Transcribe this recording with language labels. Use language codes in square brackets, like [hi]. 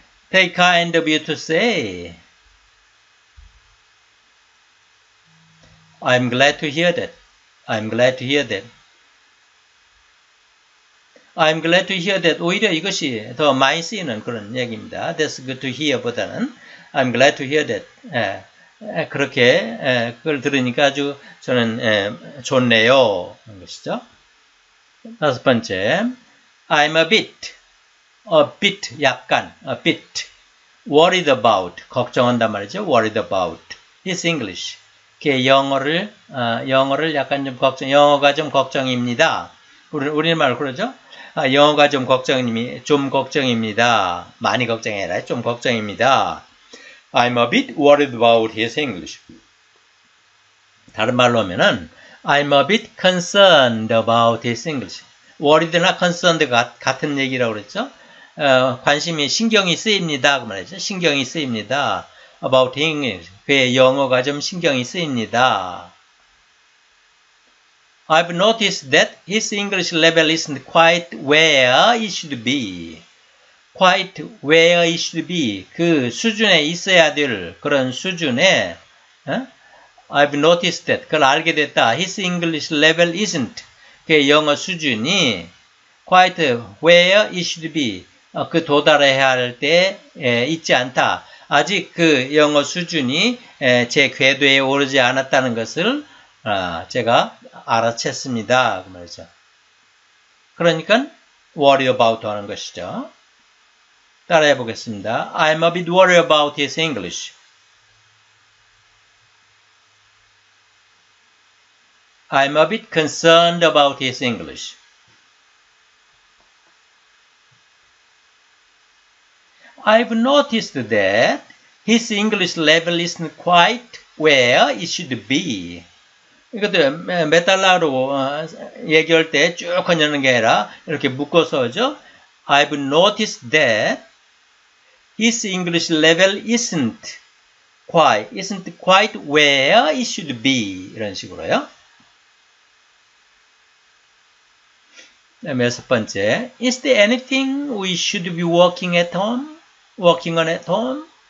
[en] Take kind of you to say. I'm glad to hear that. I'm glad to hear that. I'm glad to hear that. [ko] 오히려 이것이 더 많이 쓰이는 그런 얘기입니다. [en] That's good to hear [ko] 보다는 [en] I'm glad to hear that. [ko] 그렇게 그걸 들으니까 아주 저는 좋네요. 그런 것이죠. 다섯 번째, [en] I'm a bit, [ko] 약간, [en] a bit worried about, [ko] 걱정한단 말이죠. [en] Worried about his English. [ko] 그 영어를 약간 좀 걱정, 영어가 좀 걱정입니다. 우리말 그러죠? 아, 영어가 좀 걱정입니다. 많이 걱정해라. 좀 걱정입니다. [en] I'm a bit worried about his English. [ko] 다른 말로 하면은, [en] I'm a bit concerned about his English. [ko] worried나 concerned가 같은 얘기라고 그랬죠? 관심이, 신경이 쓰입니다. 그 말이죠. 신경이 쓰입니다. [en] about English. [ko] 그의 영어가 좀 신경이 쓰입니다. [en] I've noticed that his English level isn't quite where it should be. Quite where it should be. [ko] 그 수준에 있어야 될 그런 수준에, [en] I've noticed that. [ko] 그걸 알게 됐다. [en] His English level isn't. [ko] 그의 영어 수준이 [en] quite where it should be. [ko] 그 도달해야 할 때, 있지 않다. 아직 그 영어 수준이 제 궤도에 오르지 않았다는 것을 제가 알아챘습니다. 그 말이죠. 그러니까 worry about 하는 것이죠. 따라해 보겠습니다. [en] I'm a bit worried about his English. I'm a bit concerned about his English. I've noticed that his English level isn't quite where it should be. [ko] 이것도 몇 달러로 얘기할 때쭉 하냐는 게 아니라 이렇게 묶어서죠. [en] I've noticed that his English level isn't quite where it should be. [ko] 이런 식으로요. 여섯 번째, [en] is there anything we should be working on at home?